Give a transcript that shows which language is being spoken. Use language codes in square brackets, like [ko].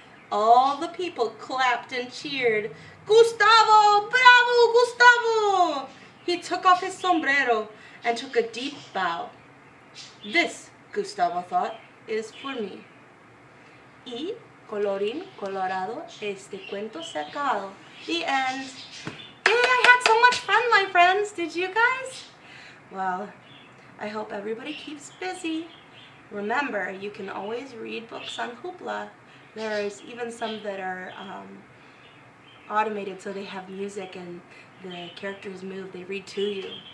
[en] All the people clapped and cheered. Gustavo! Bravo, Gustavo! He took off his sombrero and took a deep bow. This, Gustavo thought, is for me. [es] Y colorín colorado, este cuento se acabó. [en] The end. Yay, I had so much fun, my friends. Did you guys? Well, I hope everybody keeps busy. Remember, you can always read books on Hoopla. There's even some that are automated, so they have music and the characters move, they read to you.